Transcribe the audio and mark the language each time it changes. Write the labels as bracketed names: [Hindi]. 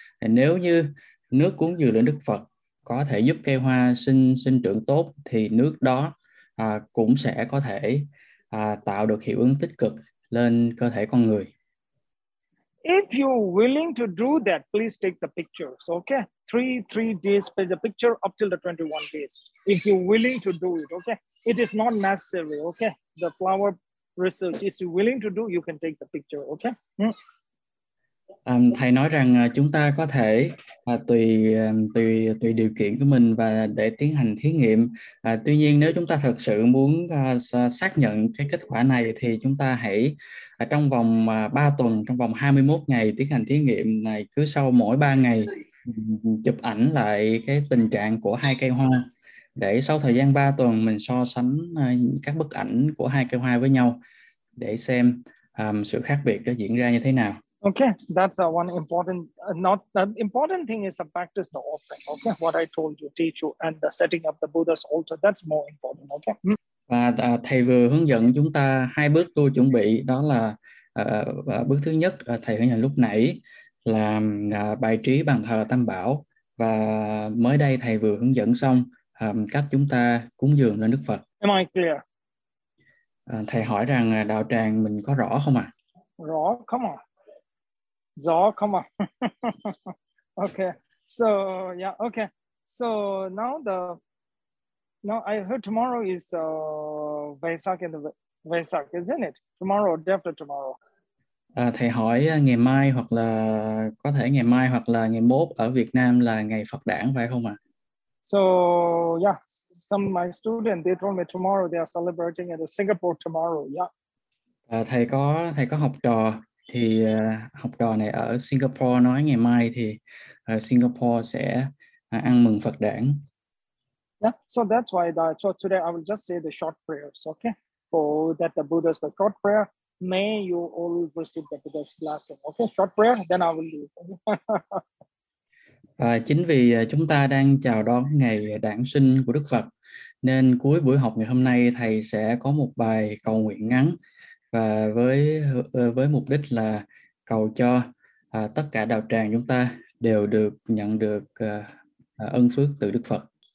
[Vietnamese] Nếu như nước cúng dường lên Đức Phật có thể giúp cây hoa sinh trưởng tốt, thì nước đó cũng sẽ có thể tạo được hiệu ứng tích cực lên cơ thể con người. [English] If you're willing to do that, please take the pictures, okay? Three days for the picture up till the 21 days. If you're willing to do it, okay? It is not necessary, okay? The flower research, if you're willing to do, you can take the picture, okay? [Vietnamese] Thầy nói rằng chúng ta có thể tùy điều kiện của mình và để tiến hành thí nghiệm. Tuy nhiên nếu chúng ta thực sự muốn xác nhận cái kết quả này thì chúng ta hãy trong vòng 3 tuần, trong vòng 21 ngày tiến hành thí nghiệm này, cứ sau mỗi 3 ngày chụp ảnh lại cái tình trạng của hai cây hoa để sau thời gian 3 tuần mình so sánh các bức ảnh của hai cây hoa với nhau để xem sự khác biệt nó diễn ra như thế nào. [English] Okay, that's the one important, not the important thing is to practice the offering. Okay, what I told you, teach you, and the setting up the Buddha's altar, that's more important. Okay. [Vietnamese] Và thầy vừa hướng dẫn chúng ta hai bước tu chuẩn bị, đó là bước thứ nhất thầy hướng dẫn lúc nãy là bài trí bàn thờ tam bảo, và mới đây thầy vừa hướng dẫn xong cách chúng ta cúng dường lên Đức Phật. [English] Am I clear? [Vietnamese] Thầy hỏi rằng đạo tràng mình có rõ không ạ? Rõ, [English] come on. Rõ, come on. Okay. So, yeah, okay. So, now the No, I heard tomorrow is Vesak and Vesak, isn't it? Tomorrow, definitely tomorrow. [Vietnamese] Thầy hỏi ngày mai hoặc là có thể ngày mai hoặc là ngày mốt ở Việt Nam là ngày Phật Đản phải không ạ? [English] So, yeah, some of my students, they told me tomorrow they are celebrating at Singapore tomorrow, yeah. [Vietnamese] Thầy có học trò thì học trò này ở Singapore nói ngày mai thì Singapore sẽ ăn mừng Phật Đản. [English] Yeah, so that's why so today I will just say the short prayers, okay? For that the Buddha's the short prayer, may you all receive the Buddha's blessing. Okay, short prayer, then I will leave. [Vietnamese] Và chính vì chúng ta đang chào đón ngày đản sinh của Đức Phật, nên cuối buổi học ngày hôm nay thầy sẽ có một bài cầu nguyện ngắn, và với mục đích là cầu cho tất cả đạo tràng chúng ta đều được nhận được ân phước từ Đức Phật.